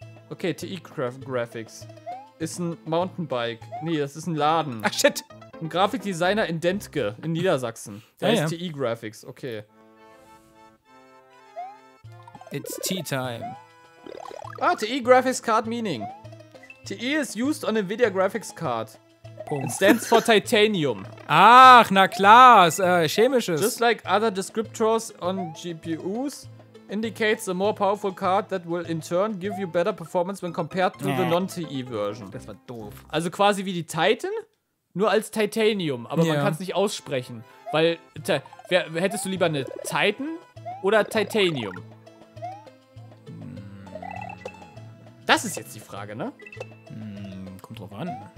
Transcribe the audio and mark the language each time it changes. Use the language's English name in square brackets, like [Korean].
[German] Okay, TI Graphics ist ein Mountainbike. Nee, das ist ein Laden. Ach shit! Ein Grafikdesigner in Dentke, in Niedersachsen. Der heißt TI Graphics, okay. [English] It's tea time. [German] Ah, TI Graphics Card Meaning. [English] TI is used on a Nvidia Graphics Card. [German] Punkt. [English] It stands for Titanium. [German] Ach, na klar, ist chemisches. [English] Just like other descriptors on GPUs, indicates a more powerful card that will in turn give you better performance when compared to the non-TI version. [German] Das war doof. Also quasi wie die Titan, nur als Titanium, aber man kann es nicht aussprechen. Weil, hättest du lieber eine Titan oder Titanium? Das ist jetzt die Frage, ne? Kommt drauf an.